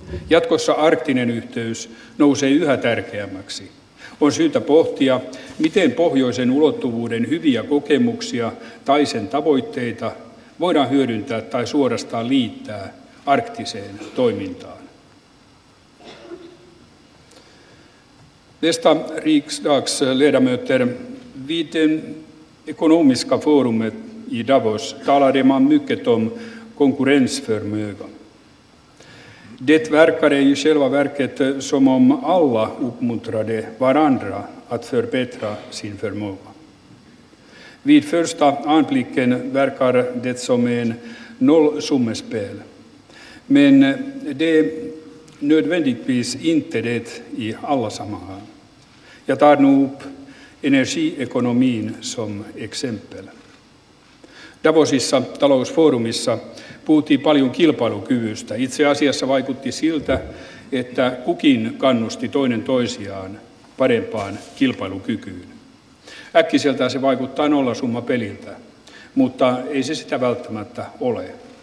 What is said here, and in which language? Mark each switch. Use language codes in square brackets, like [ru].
[fi] Jatkossa arktinen yhteys nousee yhä tärkeämmäksi. On syytä pohtia, miten pohjoisen ulottuvuuden hyviä kokemuksia tai sen tavoitteita voidaan hyödyntää tai suorastaan liittää arktiseen toimintaan. [sv] Nästa riksdagsledamöter vid ekonomiska forumet i Davos talade man mycket om konkurrensförmöga. Det verkade i själva verket som om alla uppmuntrade varandra att förbättra sin förmåga. Vid första anblicken verkar det som en nollsummespel. Men det är nödvändigtvis inte det i alla sammanhang. Jag tar nu upp energiekonomin som exempel. [fi] Davosissa talousfoorumissa puhuttiin paljon kilpailukyvystä. Itse asiassa vaikutti siltä, että kukin kannusti toinen toisiaan parempaan kilpailukykyyn. Äkkiseltään se vaikuttaa nollasumma peliltä, mutta ei se sitä välttämättä ole.